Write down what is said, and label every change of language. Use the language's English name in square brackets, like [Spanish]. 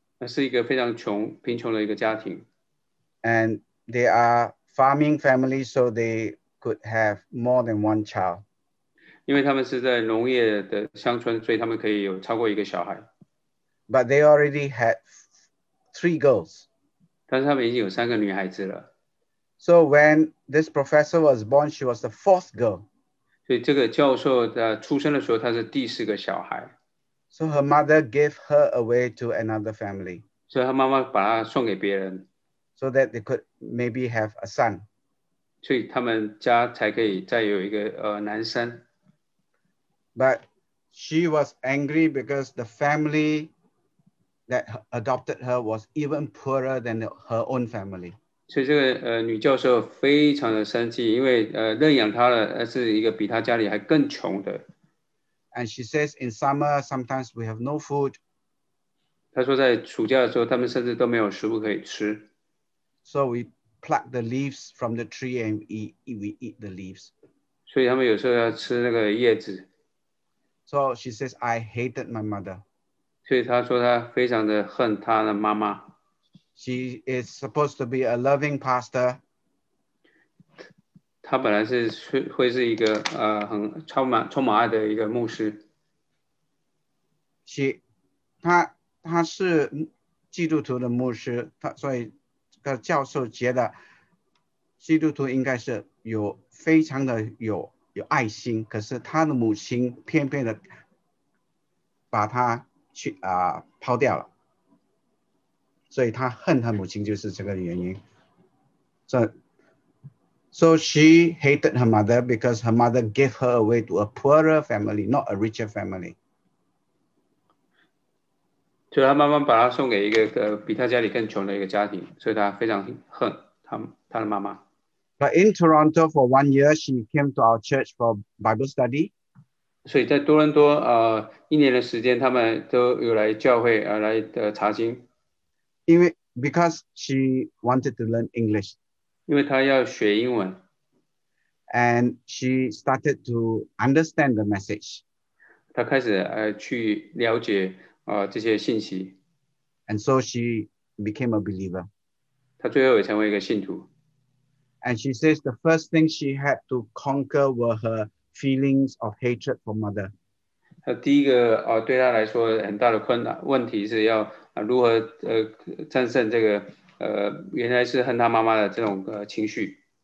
[Chinese] 是一个非常穷贫穷的一个家庭。 [English] And they are farming family, so they could have more than one child. [Chinese] 因为他们是在农业的乡村，所以他们可以有超过一个小孩。 [English] But they already had three girls. [Chinese] 但是他们已经有三个女孩子了。 [English] So when this professor was born, she was the fourth girl. [Chinese] 所以这个教授的出生的时候，她是第四个小孩。 [English] So her mother gave her away to another family. [Chinese] 所以她妈妈把她送给别人。 [English] So that they could maybe have a son. [Chinese] 所以他们家才可以再有一个男生。 [English] But she was angry because the family that adopted her was even poorer than her own family. [Chinese] 所以这个女教授非常的生气，因为认养她的是一个比她家里还更穷的。 [English] And she says in summer sometimes we have no food. [Chinese] 她说在暑假的时候，他们甚至都没有食物可以吃。 [English] So we pluck the leaves from the tree and we eat the leaves. [Chinese] 所以他们有时候要吃那个叶子。 [English] So she says I hated my mother. [Chinese] 所以她说她非常的恨她的妈妈。 [English] She is supposed to be a loving pastor. [Chinese] 她本来是会是一个很充满爱的一个牧师。她是基督徒的牧师，所以这个教授觉得基督徒应该是有非常的有爱心，可是她的母亲偏偏的把她去抛掉了。所以她恨她母亲就是这个原因。 [English] So she hated her mother because her mother gave her away to a poorer family, not a richer family. [Chinese] 所以她妈妈把她送给一个比她家里更穷的一个家庭，所以她非常恨她的妈妈。 [English] But in Toronto for 1 year, she came to our church for Bible study. [Chinese] 所以在多伦多一年的时间，他们都有来教会来查经。 [English] Because she wanted to learn English. [Chinese] 因为她要学英文. [English] And she started to understand the message. [Chinese] 她开始, 去了解, 这些信息. [English] And so she became a believer. [Chinese] 她最后也成为一个信徒. [English] And she says the first thing she had to conquer were her feelings of hatred for mother. [Chinese] 第一个, 对她来说, 很大的困难问题是要 如何战胜这个原来是恨他妈妈的这种情绪。